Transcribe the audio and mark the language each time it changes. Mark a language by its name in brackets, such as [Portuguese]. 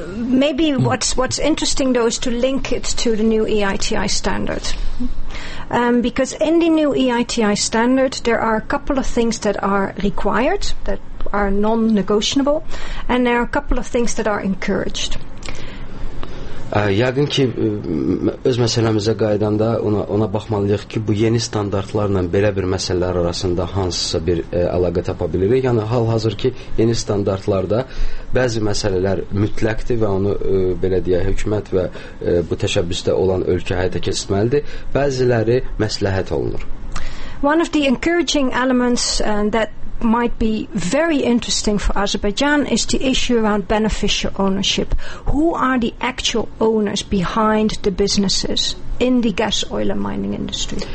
[English] Maybe what's interesting though is to link it to the new EITI standard. Because in the new EITI standard, there are a couple of things that are required, that are non-negotiable, and there are a couple of things that are encouraged. [Azerbaijani] Yəqin ki, öz məsələmizə qayıdanda ona baxmalıyıq ki, bu yeni standartlarla belə bir məsələlər arasında hansısa bir əlaqə tapa bilirik. Yəni, hal-hazır ki, yeni standartlarda bəzi məsələlər mütləqdir və onu, belə deyək, hökumət və bu təşəbbüsdə olan ölkə həyata keçirməlidir. Bəziləri məsləhət olunur. [English] One of the encouraging elements that might be very interesting for Azerbaijan is the issue around beneficial ownership. Who are the actual owners behind the businesses in the gas oil and mining industry?